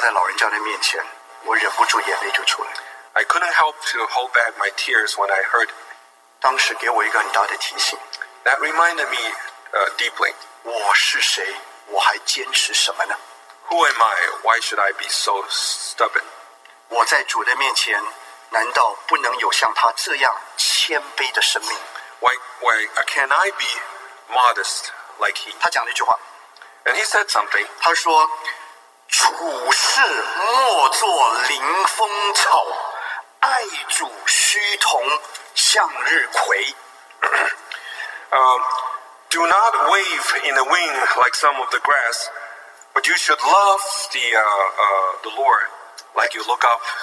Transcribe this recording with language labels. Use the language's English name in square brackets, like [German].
[Chinese] 我告诉你,我坐在他的面前,坐在老人家的面前,我忍不住眼泪就出来。 [English] I couldn't help to hold back my tears when I heard. [Chinese] 当时给我一个很大的提醒。 [English] That reminded me deeply. [Chinese] 我是谁?我还坚持什么呢? [English] Who am I? Why should I be so stubborn? [Chinese] 我在主的面前,难道不能有像他这样谦卑的生命? [English] Why can I be modest like he? [Chinese] 他讲了一句话。 [English] And he said something. [Chinese] 他说, 处事莫作凌风草, 爱主须同向日葵。 [English] Do not wave in the wind like some of the grass, but you should love the Lord like you look up